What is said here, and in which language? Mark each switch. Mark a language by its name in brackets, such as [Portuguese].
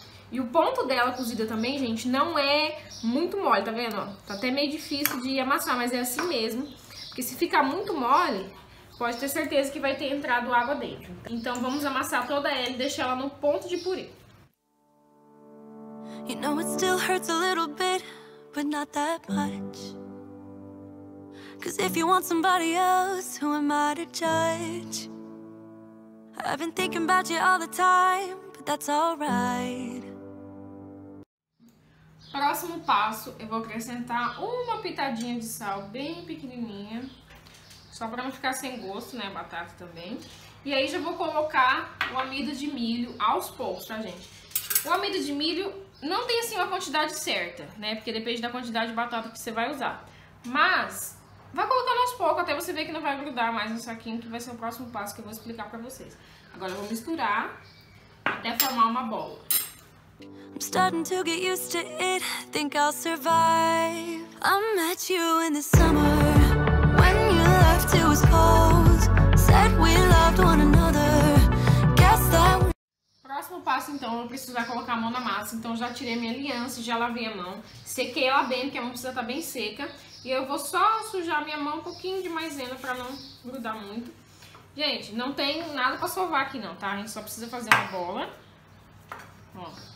[Portuguese] E o ponto dela cozida também, gente, não é muito mole, tá vendo? Ó, tá até meio difícil de amassar, mas é assim mesmo. Porque se ficar muito mole, pode ter certeza que vai ter entrado água dentro. Então vamos amassar toda ela e deixar ela no ponto de purê. [English] You know it still hurts a little bit, but not that much. Cause if you want somebody else, who am I to judge? I've been thinking about you all the time, but that's alright. [Portuguese] Próximo passo, eu vou acrescentar uma pitadinha de sal bem pequenininha, só para não ficar sem gosto, né, a batata também. E aí já vou colocar o amido de milho aos poucos, tá, gente? O amido de milho não tem, assim, uma quantidade certa, né, porque depende da quantidade de batata que você vai usar. Mas vai colocando aos poucos até você ver que não vai grudar mais no saquinho, que vai ser o próximo passo que eu vou explicar para vocês. Agora eu vou misturar até formar uma bola. [English] I'm starting to get used to it, think I'll survive. I met you in the summer, when you left it was cold. Said we loved one another, guess that we... [Portuguese] Próximo passo, então, eu vou precisar colocar a mão na massa. Então já tirei minha aliança, já lavei a mão. Sequei ela bem, porque a mão precisa estar bem seca. E eu vou só sujar minha mão um pouquinho de maisena pra não grudar muito. Gente, não tem nada pra sovar aqui não, tá? A gente só precisa fazer uma bola. Ó.